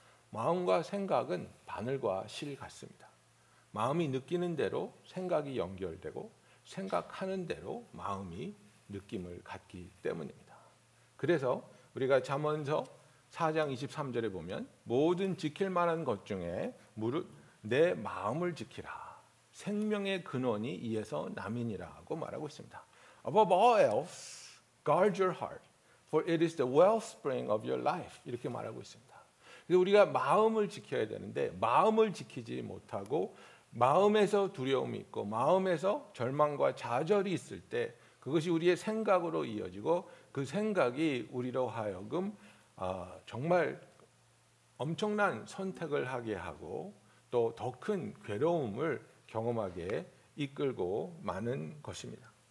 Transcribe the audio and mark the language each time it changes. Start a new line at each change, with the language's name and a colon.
Korean: 마음과 생각은 바늘과 실 같습니다. 마음이 느끼는 대로 생각이 연결되고 생각하는 대로 마음이 느낌을 갖기 때문입니다. 그래서 우리가 잠언서 4장 23절에 보면 모든 지킬 만한 것 중에 무릇 내 마음을 지키라. 생명의 근원이 이에서 남이니라고 말하고 있습니다.
English: Above all else, guard your heart, for it is the wellspring of your life.
Korean: 이렇게 말하고 있습니다. 그래서 우리가 마음을 지켜야 되는데 마음을 지키지 못하고 마음에서 두려움이 있고 마음에서 절망과 좌절이 있을 때 그것이 우리의 생각으로 이어지고 그 생각이 우리로 하여금 정말 엄청난 선택을 하게 하고 또 더 큰 괴로움을 경험하게 이끌고 마는 것입니다.